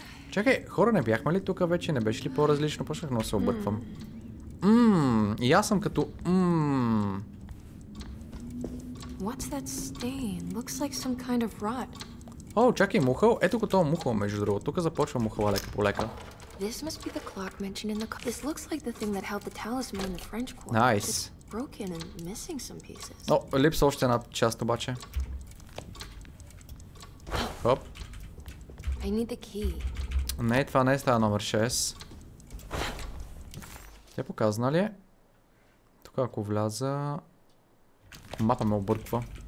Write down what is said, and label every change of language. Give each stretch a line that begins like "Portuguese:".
Bulgarian: Чакай, хора, не бяхме ли тук вече? Не беше ли по-различно? Почнах много се обърквам. И аз съм като
English: What's that stain? Looks like some kind of rot.
Bulgarian: О, чакай, мухъл. Ето го това мухъл, между другото. Тук започва мухъл лека полека.
English: This must be the clock mentioned in the cup. This looks like the thing that held the talisman in the French court. Nice. Broken and missing some pieces.
Bulgarian: О, липса още една част обаче. Хоп.
English: I need the key.
Bulgarian: Не, това не е стая номер 6. Тя показана ли е? Тук ако вляза... Мапа ме обърква.